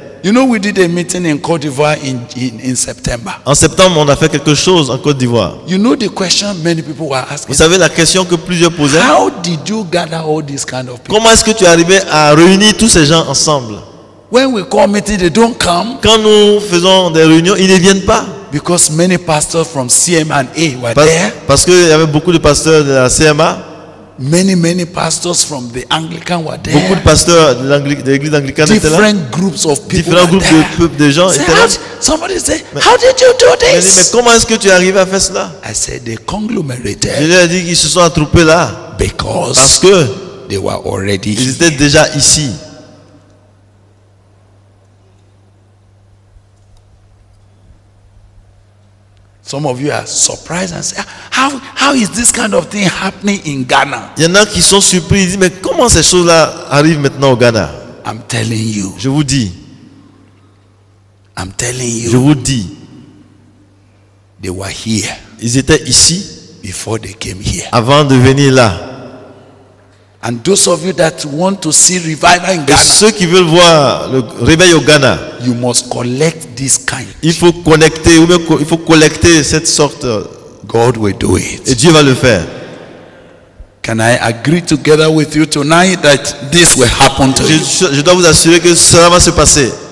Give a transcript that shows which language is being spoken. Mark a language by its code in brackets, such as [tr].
[en] You know, we did a meeting in Côte d'Ivoire in September. [fr] En septembre, on a fait quelque chose en Côte d'Ivoire. [en] You know the question many people were asking. [fr] Vous savez la question que plusieurs posaient. [en] How did you gather all these kind of people? [fr] Comment est-ce que tu es arrivé à réunir tous ces gens ensemble? [en] When we call meeting, they don't come. [fr] Quand nous faisons des réunions, ils ne viennent pas. [en] Because many pastors from CMA were there. [fr] Parce que il y avait beaucoup de pasteurs de la CMA. [en] Many pastors from the Anglican were there. [fr] Beaucoup de pasteurs de l'église anglicane étaient là. [en] Different groups of people. [fr] Différents groupes de peuples de gens étaient là. [en] Somebody said, "How did you do this?" [fr] Mais comment est-ce que tu arrives à faire cela? [en] I said they conglomerated. [fr] Je lui ai dit qu'ils se sont attroupés là. [en] Because. [fr] Parce que. [en] They were already. [fr] Ils étaient déjà ici. [en] Some of you are surprised and say, how is this kind of thing happening in Ghana? [fr] Il y en a qui sont surpris, ils disent, mais comment ces choses-là arrivent maintenant au Ghana? [en] I'm telling you. [fr] Je vous dis. [en] I'm telling you. [fr] Je vous dis. [en] They were here. [fr] Ils étaient ici [en] before they came here. [fr] Avant de venir là. [en] And those of you that want to see revival in Ghana. [fr] Et ceux qui veulent voir le réveil au Ghana. [en] You must collect this kind. [fr] Il faut collecter cette sorte. [en] God will do it. [fr] Et Dieu va le faire. [en] Can I agree together with you tonight that this will happen to you? [fr] Je dois vous assurer que cela va se passer.